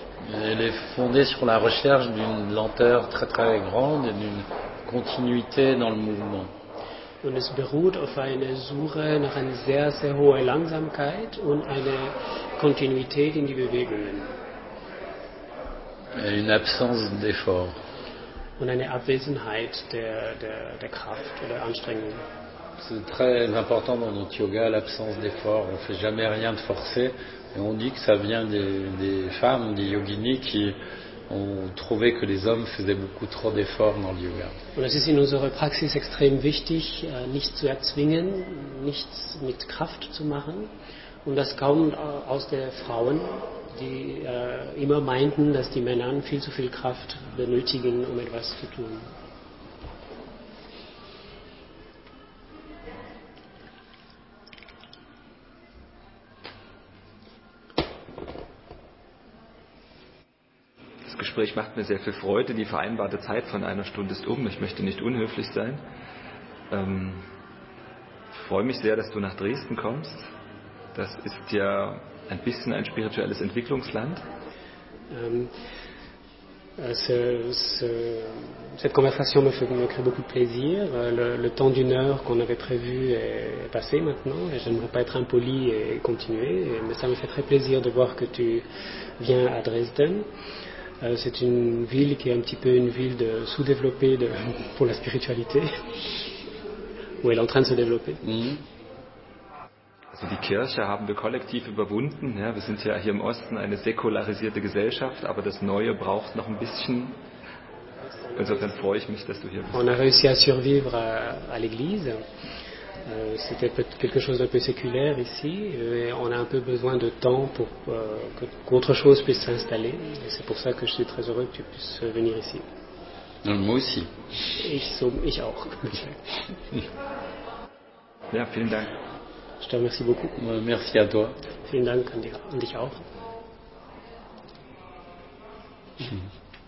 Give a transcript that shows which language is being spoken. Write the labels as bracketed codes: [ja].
[fr] Elle est fondée sur la recherche d'une lenteur très très grande et d'une continuité dans le mouvement. [de] Und es beruht auf einer Suche nach einer sehr sehr hohen Langsamkeit und einer Kontinuität in die Bewegungen. [fr] Et une absence d'effort. [de] Und eine Abwesenheit der Kraft oder Anstrengung. [fr] C'est très important dans notre yoga, l'absence d'effort. On ne fait jamais rien de forcé. Et on dit que ça vient des femmes, des yoginis qui ont trouvé que les hommes faisaient beaucoup trop d'efforts dans le yoga. [de] Und es ist in unserer Praxis extrem wichtig, nichts zu erzwingen, nichts mit Kraft zu machen. Und das kommt aus der Frauen, die immer meinten, dass die Männer viel zu viel Kraft benötigen, um etwas zu tun. Gespräch macht mir sehr viel Freude. Die vereinbarte Zeit von einer Stunde ist um. Ich möchte nicht unhöflich sein. Freue mich sehr, dass du nach Dresden kommst. Das ist ja ein bisschen ein spirituelles Entwicklungsland. [fr] Cette conversation me crée beaucoup de plaisir. Le temps d'une heure qu'on avait prévu est passé maintenant. Et je ne voudrais pas être impoli et continuer. Mais ça me fait très plaisir de voir que tu viens à Dresden. C'est une ville qui est un petit peu une ville de sous-développée de, pour la spiritualité, où elle est en train de se développer. [de] Also die Kirche haben wir kollektiv überwunden. Ja, wir sind ja hier im Osten eine säkularisierte Gesellschaft, aber das Neue braucht noch ein bisschen. Insofern freue ich mich, dass du hier bist. [fr] On a réussi à survivre à l'église. C'était quelque chose d'un peu séculaire ici, et on a un peu besoin de temps pour qu'autre chose puisse s'installer. Et c'est pour ça que je suis très heureux que tu puisses venir ici. Moi aussi. [de] Ich auch. Ja, vielen Dank. [fr] Je te remercie beaucoup. Merci à toi. [de] Vielen Dank an dich auch.